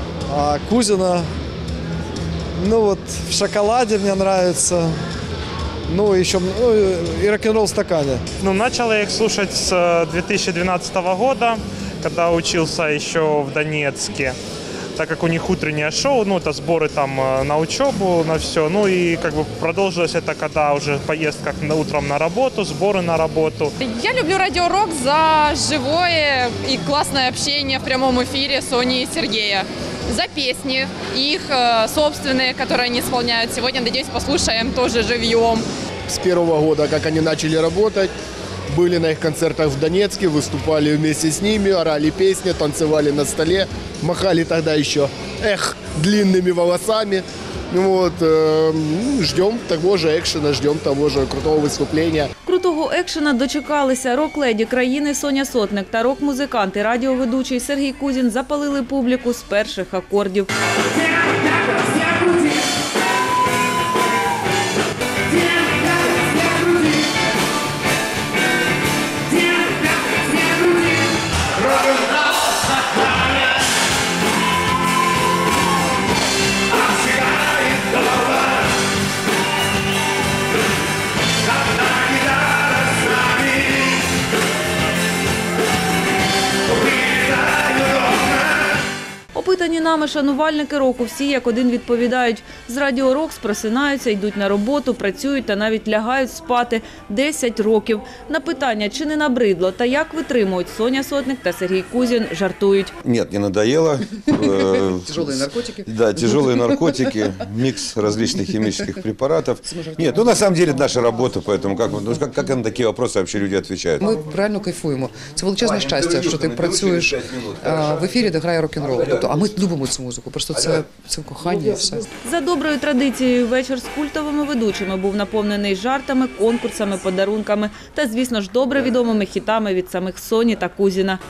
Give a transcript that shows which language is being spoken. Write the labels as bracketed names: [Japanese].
[Russian] А Кузина, ну вот в шоколаде мне нравится. [Ukrainian] Ну і що, ну і рок-н-рол в стакані. Ну, почали їх слухати з 2012 року, коли учився ще в Донецьку. Так як у них утреннє шоу, ну, це збори там на учебу, на все. Ну і [Russian] как бы [Ukrainian] продовжилося це, коли вже поїздка утром на роботу, збори на роботу. Я люблю Радіо Рок за живе і класне общення в прямому ефірі Соні і Сергія. [Russian] За песни, их собственные, которые они исполняют сегодня, надеюсь, послушаем тоже живьем. С первого года, как они начали работать, были на их концертах в Донецке, выступали вместе с ними, орали песни, танцевали на столе, махали тогда еще, длинными волосами. Вот, ждем того же экшена, ждем того же крутого выступления. [Ukrainian] Крутого екшена дочекалися. Рок-леді країни Соня Сотник та рок-музикант і радіоведучий Сергій Кузін запалили публіку з перших акордів. Питані нами шанувальники року всі як один відповідають. З Радіо Рокс просинаються, йдуть на роботу, працюють та навіть лягають спати 10 років. На питання, чи не набридло та як витримують, Соня Сотник та Сергій Кузін жартують. Ні, не надоело. Тяжелі наркотики. Да, тяжелі наркотики, мікс различных хімічних препаратів. [Russian] Ні, ну на самом деле наша робота, поэтому как на такі вопросы вообще люди отвечают. [Ukrainian] Ми правильно кайфуємо. Це величезне щастя, що ти працюєш в ефірі, де грає рок-н-рол. А ми любимо цю музику, просто це кохання і все. За доброю традицією, вечір з культовими ведучими був наповнений жартами, конкурсами, подарунками та, звісно ж, добре відомими хітами від самих Соні та Кузіна.